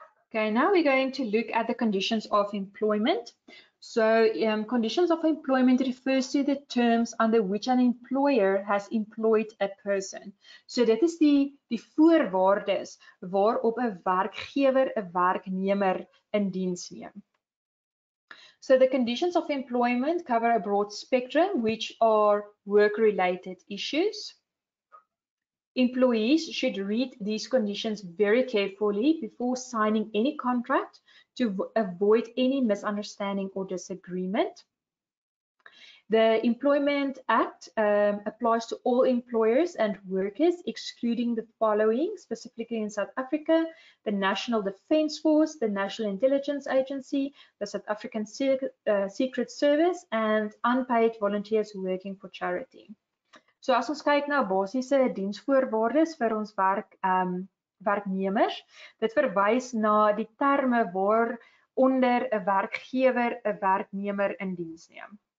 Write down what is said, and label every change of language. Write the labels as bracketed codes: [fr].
[en] Okay, now we're going to look at the conditions of employment. So, conditions of employment refers to the terms under which an employer has employed a person. [af] So, dit is die voorwaardes waarop 'n werkgewer 'n werknemer in diens neem. [en] So, the conditions of employment cover a broad spectrum, which are work-related issues. Employees should read these conditions very carefully before signing any contract to avoid any misunderstanding or disagreement. The Employment Act applies to all employers and workers, excluding the following, specifically in South Africa, the National Defence Force, the National Intelligence Agency, the South African Secret Service, and unpaid volunteers working for charity. [af] So as ons kyk na basiese diensvoorwaardes vir ons werknemers, dit verwys na die terme waaronder 'n werkgewer 'n werknemer in diens neem.